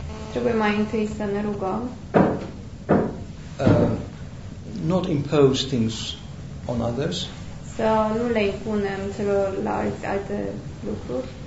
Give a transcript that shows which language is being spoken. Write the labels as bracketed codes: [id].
[ro] Trebuie mai întâi să ne rugăm. [en] Not impose things on others. [ro] Să nu le impunem celorlalți alte lucruri.